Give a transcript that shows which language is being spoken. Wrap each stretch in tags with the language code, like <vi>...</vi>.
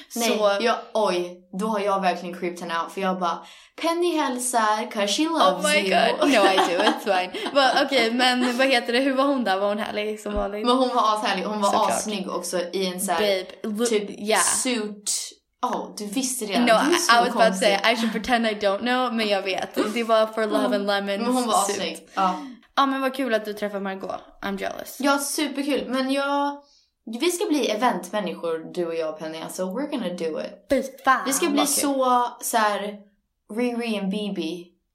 <sv>Nej, så, då har jag verkligen creeped henne out. För jag bara, Penny hälsar</sv> <en>because she loves you. Oh my god, no I do, it's fine.</en> <sv>Okej, men vad heter det, hur var hon där? Var hon härlig som vanligt? Men hon var ashärlig, hon var så asnygg också i en så här,</sv> <en>babe,</en> <sv>typ suit. Oh, du visste det.</sv> <en>No, I was about to say, I should pretend I don't know,</en> <sv>men jag vet. Det var for Love and Lemons. Men hon var suit. Sig. Ja, men vad kul att du träffade Margot.</sv> <en>I'm jealous.</en> <sv>Ja, superkul. Men vi ska bli eventmänniskor, du och jag, Penny. Alltså,</sv> <en>we're gonna do it.</en> <sv>Fan, vi ska bli så här Riri and Bibi.</sv>